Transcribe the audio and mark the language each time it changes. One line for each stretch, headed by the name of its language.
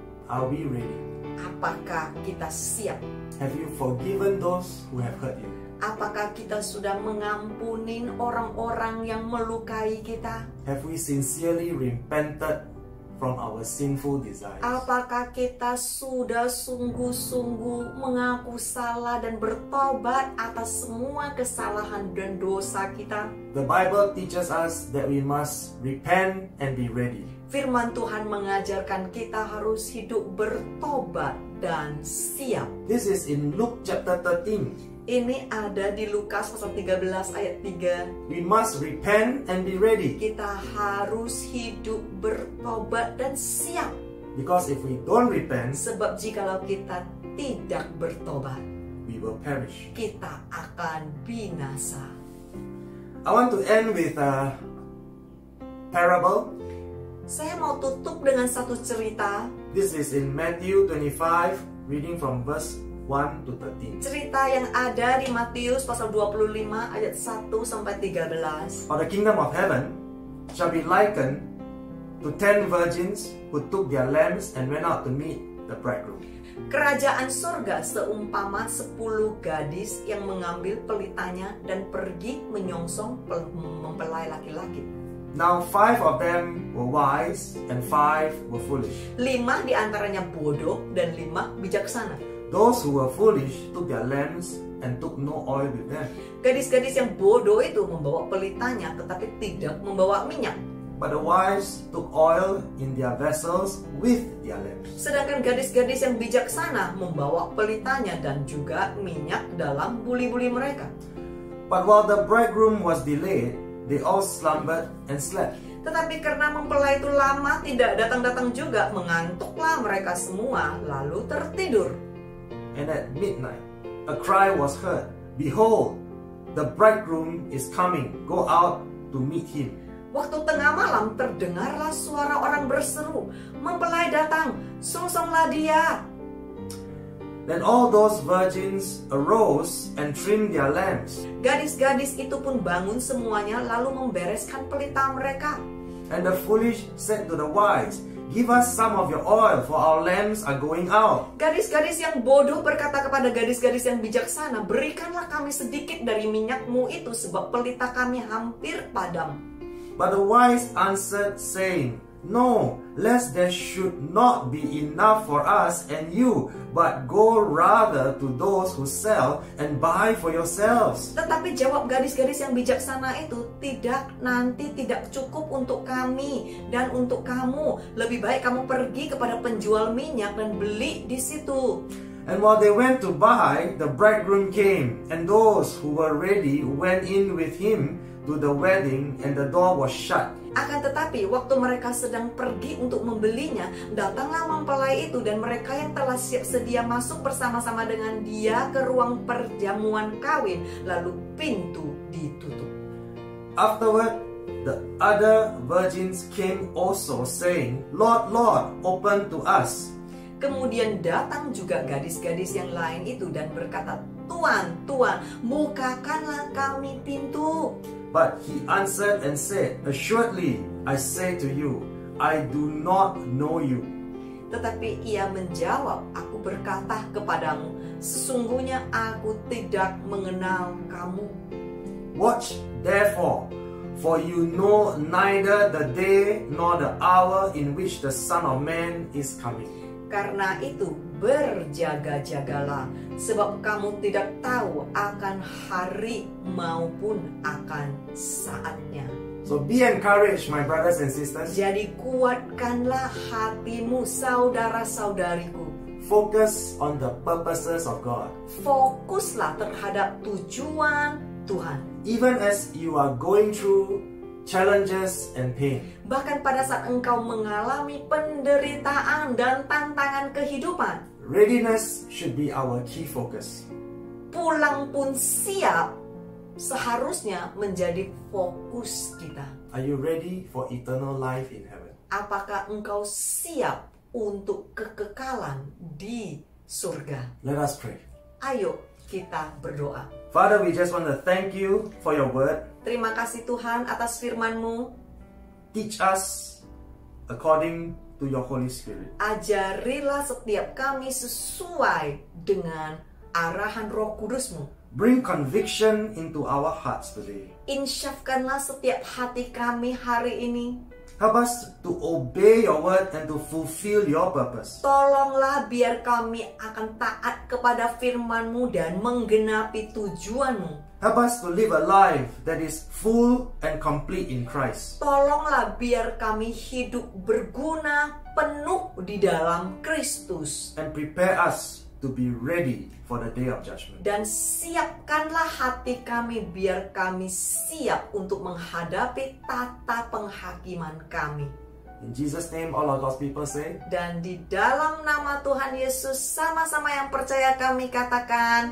English: are we ready?
Indonesian: Apakah kita siap?
English: Have you forgiven those who have hurt you?
Indonesian: Apakah kita sudah mengampunin orang-orang yang melukai kita?
English: Have we sincerely repented from our sinful desires?
Indonesian: Apakah kita sudah sungguh-sungguh mengaku salah dan bertobat atas semua kesalahan dan dosa kita?
English: The Bible teaches us that we must repent and be ready.
Indonesian: Firman Tuhan mengajarkan kita harus hidup bertobat dan siap.
English: This is in Luke chapter 13.
Indonesian: Ini ada di Lukas pasal 13 ayat 3.
English: We must repent and be ready.
Indonesian: Kita harus hidup bertobat dan siap.
English: Because if we don't repent,
Indonesian: sebab jikalau kita tidak bertobat,
English: we will perish.
Indonesian: Kita akan binasa.
English: I want to end with a parable.
Indonesian: Saya mau tutup dengan satu cerita.
English: This is in Matthew 25, reading from verse 1 to 13.
Indonesian: Cerita yang ada di Matius pasal 25 ayat 1 sampai 13.
English: For the kingdom of heaven shall be likened to 10 virgins who took their lamps and went out to meet the bridegroom.
Indonesian: Kerajaan surga seumpama 10 gadis yang mengambil pelitanya dan pergi menyongsong mempelai laki-laki.
English: Now 5 of them were wise and 5 were foolish.
Indonesian: 5 di antaranya bodoh dan 5 bijaksana.
English: Those who were foolish took their lamps and took no oil with them.
Indonesian: Gadis-gadis yang bodoh itu membawa pelitanya tetapi tidak membawa minyak.
English: But the wise took oil in their vessels with their lamps.
Indonesian: Sedangkan gadis-gadis yang bijaksana membawa pelitanya dan juga minyak dalam buli-buli mereka.
English: But while the bridegroom was delayed, they all slumbered and slept.
Indonesian: Tetapi karena mempelai itu lama tidak datang-datang juga, mengantuklah mereka semua lalu tertidur.
English: And at midnight, a cry was heard. Behold, the bridegroom is coming. Go out to meet him.
Indonesian: Waktu tengah malam terdengarlah suara orang berseru, mempelai datang, sungsunglah dia.
English: Then all those virgins arose and trimmed their lamps.
Indonesian: Gadis-gadis itu pun bangun semuanya lalu membereskan pelita mereka.
English: And the foolish said to the wise, give us some of your oil for our lamps are going out.
Indonesian: Gadis-gadis yang bodoh berkata kepada gadis-gadis yang bijaksana, berikanlah kami sedikit dari minyakmu itu sebab pelita kami hampir padam.
English: But the wise answered saying, no, lest there should not be enough for us and you, but go rather to those who sell and buy for yourselves.
Indonesian: Tetapi jawab gadis-gadis yang bijaksana itu, tidak, nanti tidak cukup untuk kami dan untuk kamu. Lebih baik kamu pergi kepada penjual minyak dan beli di situ.
English: And while they went to buy, the bridegroom came, and those who were ready went in with him to the wedding, and the door was shut.
Indonesian: Akan tetapi, waktu mereka sedang pergi untuk membelinya, datanglah mempelai itu dan mereka yang telah siap sedia masuk bersama-sama dengan dia ke ruang perjamuan kawin, lalu pintu ditutup.
English: Afterward, the other virgins came also saying, Lord, Lord, open to us.
Indonesian: Kemudian datang juga gadis-gadis yang lain itu dan berkata, Tuan, Tuan, bukakanlah kami pintu.
English: But he answered and said, assuredly, I say to you, I do not know you.
Indonesian: Tetapi ia menjawab, aku berkata kepadamu, sesungguhnya aku tidak mengenal kamu.
English: Watch therefore, for you know neither the day nor the hour in which the Son of Man is coming.
Indonesian: Karena itu berjaga-jagalah, sebab kamu tidak tahu akan hari maupun akan saatnya.
English: So be encouraged, my brothers and sisters.
Indonesian: Jadi kuatkanlah hatimu, saudara-saudariku.
English: Focus on the purposes of God.
Indonesian: Fokuslah terhadap tujuan Tuhan.
English: Even as you are going through challenges and pain.
Indonesian: Bahkan pada saat engkau mengalami penderitaan dan tantangan kehidupan.
English: Readiness should be our key focus.
Indonesian: Pulang pun siap seharusnya menjadi fokus kita.
English: Are you ready for eternal life in heaven?
Indonesian: Apakah engkau siap untuk kekekalan di surga?
English: Let us pray.
Indonesian: Ayo kita berdoa.
English: Father, we just want to thank you for your word.
Indonesian: Terima kasih Tuhan atas firman-Mu.
English: Teach us according to your Holy Spirit.
Indonesian: Ajarilah setiap kami sesuai dengan arahan Roh Kudus-Mu.
English: Bring conviction into our hearts today.
Indonesian: Insyafkanlah setiap hati kami hari ini.
English: Help us to obey your word and to fulfill your purpose.
Indonesian: Tolonglah biar kami akan taat kepada firman-Mu dan menggenapi tujuan-Mu.
English: Help us to live a life that is full and complete in Christ.
Indonesian: Tolonglah biar kami hidup berguna penuh di dalam Kristus.
English: And prepare us to be ready for the day of judgment.
Indonesian: Dan siapkanlah hati kami biar kami siap untuk menghadapi tata penghakiman kami.
English: In Jesus' name, all of God's people say.
Indonesian: Dan di dalam nama Tuhan Yesus, sama-sama yang percaya kami katakan.